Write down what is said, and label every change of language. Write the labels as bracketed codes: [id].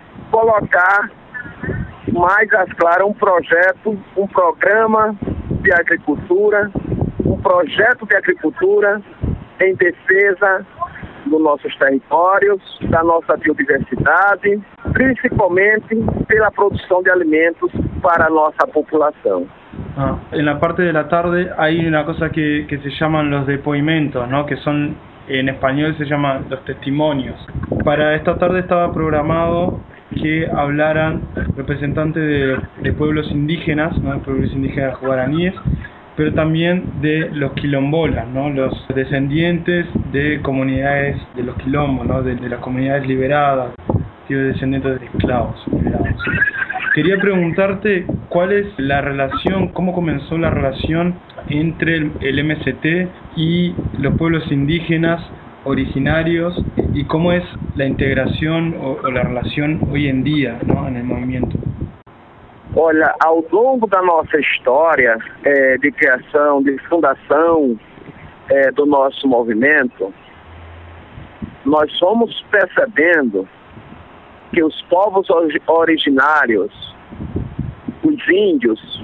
[pt] colocar mais às claras um projeto, um programa de agricultura, um projeto de agricultura em defesa dos nossos territórios, da nossa biodiversidade, principalmente pela produção de alimentos para a nossa população. [es] En la parte de la tarde hay una cosa que se llaman los depoimentos, ¿no? Que son, en español se llaman los testimonios. Para esta tarde estaba programado que hablaran representantes de pueblos indígenas, ¿no? Pueblos indígenas guaraníes, pero también de los quilombolas, ¿no? Los descendientes de comunidades de los quilombos, ¿no? De las comunidades liberadas, tío, descendientes de esclavos liberados. Quería preguntarte cuál es la relación, cómo comenzó la relación entre el MST y los pueblos indígenas originarios y cómo es la integración o la relación hoy en día, ¿no? En el movimiento. [pt] Olha, ao longo da nossa história de criação, de fundação do nosso movimento, nós fomos percebendo que os povos originários, os índios,